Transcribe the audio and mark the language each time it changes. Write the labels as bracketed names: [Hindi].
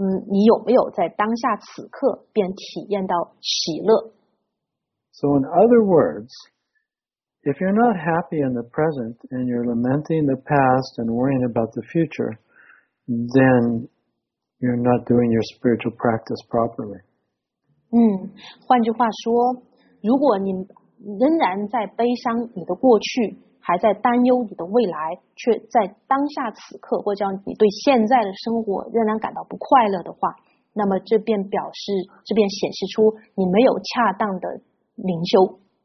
[Chinese] 你有没有在当下此刻便体验到喜乐？ [English] So in other words, if you're not happy in the present and you're lamenting the past and worrying about the future, then you're not doing your spiritual practice properly. [Chinese] 换句话说，如果你仍然在悲伤你的过去，还在担忧你的未来，却在当下此刻，或者叫你对现在的生活仍然感到不快乐的话，那么这便显示出你没有恰当的灵修。